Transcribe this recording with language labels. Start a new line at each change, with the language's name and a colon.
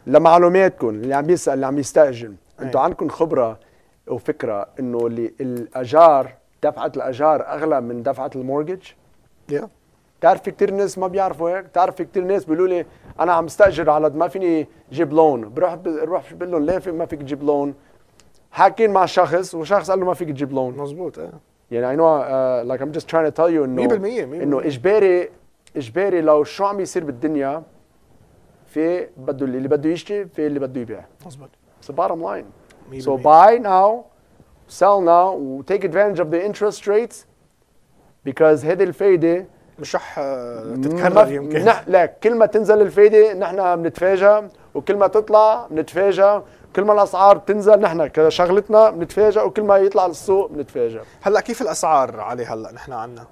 Arabic: لمعلوماتكم اللي عم بيسال اللي عم يستاجر، انتم عندكم خبره وفكره انه اللي الاجار دفعت الاجار اغلى من دفعت المورجج؟ تعرف كتير ناس ما بيعرفوا هيك؟ تعرف كتير ناس بيقولوا لي انا عم استاجر على ما فيني جيب لون، بروح بروح بقول لهم ليه ما فيك تجيب لون؟ حاكين مع شخص وشخص قال له ما فيك تجيب لون. مزبوط. يعني
English: I know like I'm just trying to tell you
Arabic: انه اجباري اجباري لو شو عم يصير بالدنيا، في بده اللي بده يشتري، في اللي بده يبيع. مزبوط.
English: So bottom line. So buy now, sell now, take advantage of the interest rates. Because
Arabic: هذه الفايده مش رح تتكرر يمكن. لا كل ما تنزل الفايده نحن بنتفاجئ، وكل ما تطلع بنتفاجئ، كل ما الاسعار تنزل نحن كشغلتنا بنتفاجئ، وكل ما يطلع السوق بنتفاجئ. هلا كيف الاسعار عليه هلا نحن عنا؟